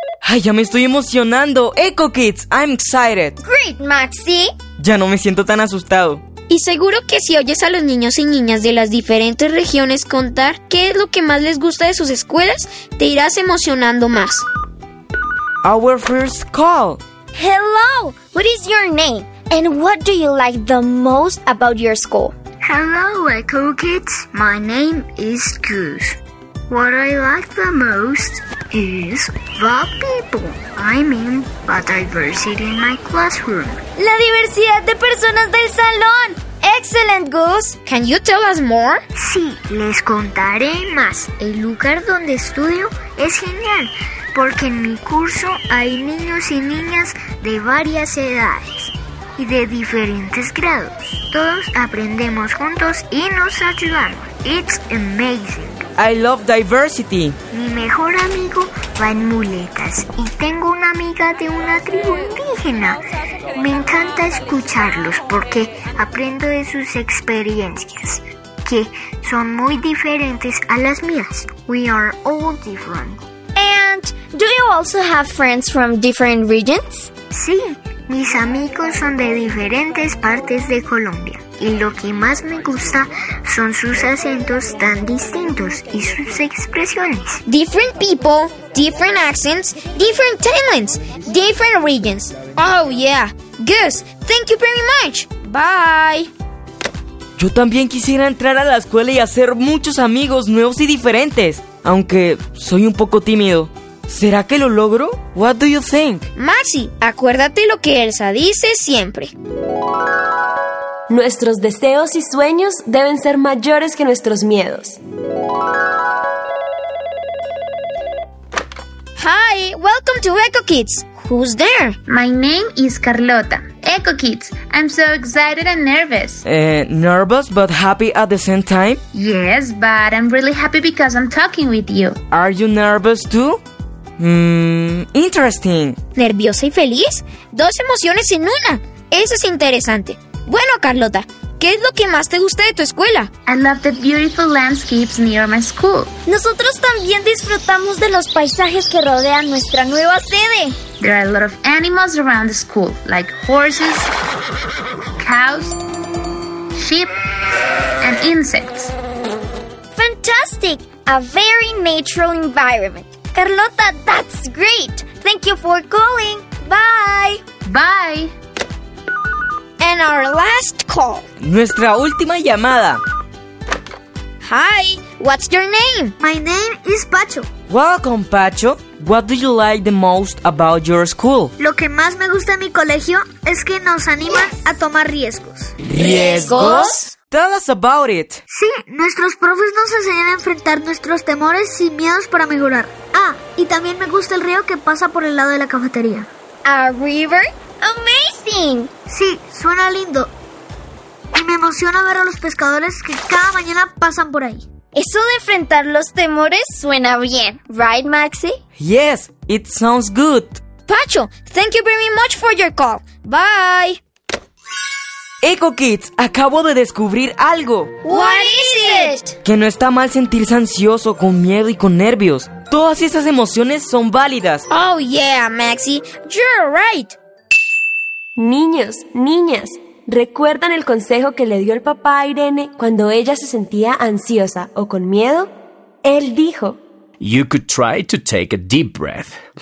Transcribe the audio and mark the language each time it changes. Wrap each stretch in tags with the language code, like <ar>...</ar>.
<es>¡Ay, ya me estoy emocionando! ¡Eco Kids,</es> <en>I'm excited! ¡Great, Maxi!</en> <es>Ya no me siento tan asustado. Y seguro que si oyes a los niños y niñas de las diferentes regiones contar qué es lo que más les gusta de sus escuelas, te irás emocionando más.</es> <en>Our first call. Hello, what is your name? And what do you like the most about your school? Hello, Echo Kids. My name is Goose. What I like the most is the people. I mean, the diversity in my classroom.</en> <es>La diversidad de personas del salón.</es> <en>Excellent, Goose. Can you tell us more?</en> <es>Sí, les contaré más. El lugar donde estudio es genial, porque en mi curso hay niños y niñas de varias edades y de diferentes grados. Todos aprendemos juntos y nos ayudamos.</es> <en>It's amazing. I love diversity.</en> <es>Mi mejor amigo va en muletas y tengo una amiga de una tribu indígena. Me encanta escucharlos porque aprendo de sus experiencias, que son muy diferentes a las mías.</es> <en>We are all different. And do you also have friends from different regions?</en> <es>Sí, mis amigos son de diferentes partes de Colombia. Y lo que más me gusta son sus acentos tan distintos y sus expresiones.</es> <en>Different people, different accents, different talents, different regions. Oh, yeah. Goose, thank you very much. Bye.</en> <es>Yo también quisiera entrar a la escuela y hacer muchos amigos nuevos y diferentes. Aunque soy un poco tímido. ¿Será que lo logro?</es> <en>What do you think?</en> <es>Maxi, acuérdate lo que Elsa dice siempre. Nuestros deseos y sueños deben ser mayores que nuestros miedos.</es> <en>Hi, welcome to Echo Kids. Who's there? My name is Carlota. Echo Kids, I'm so excited and nervous. Nervous but happy at the same time? Yes, but I'm really happy because I'm talking with you. Are you nervous too? Interesting.</en> <es>¿Nerviosa y feliz? Dos emociones en una. Eso es interesante. Bueno, Carlota, ¿qué es lo que más te gusta de tu escuela?</es> <en>I love the beautiful landscapes near my school.</en> <es>Nosotros también disfrutamos de los paisajes que rodean nuestra nueva sede.</es> <en>There are a lot of animals around the school, like horses, cows, sheep, and insects. Fantastic! A very natural environment. Carlota, that's great! Thank you for calling. Bye! Bye! And our last call.</en> <es>Nuestra última llamada.</es> <en>Hi, what's your name? My name is Pacho. Welcome, Pacho. What do you like the most about your school?</en> <es>Lo que más me gusta de mi colegio es que nos animan a tomar riesgos.</es> <en>¿Riesgos? Tell us about it.</en> <es>Sí, nuestros profes nos enseñan a enfrentar nuestros temores y miedos para mejorar. Ah, y también me gusta el río que pasa por el lado de la cafetería.</es> <en>A river? Amazing.</en> <es>Sí, suena lindo. Y me emociona ver a los pescadores que cada mañana pasan por ahí. Eso de enfrentar los temores suena bien, right, Maxi?</es> <en>Yes, it sounds good. Pacho, thank you very much for your call. Bye.</en> <es>¡Eco Kids! ¡Acabo de descubrir algo!</es> <en>¿What is it?</en> <es>Que no está mal sentirse ansioso, con miedo y con nervios. Todas esas emociones son válidas.</es> <en>¡Oh, yeah, Maxi! ¡You're right!</en> <es>Niños, niñas, ¿recuerdan el consejo que le dio el papá a Irene cuando ella se sentía ansiosa o con miedo? Él dijo...</es> <en>You could try to take a deep breath.</en>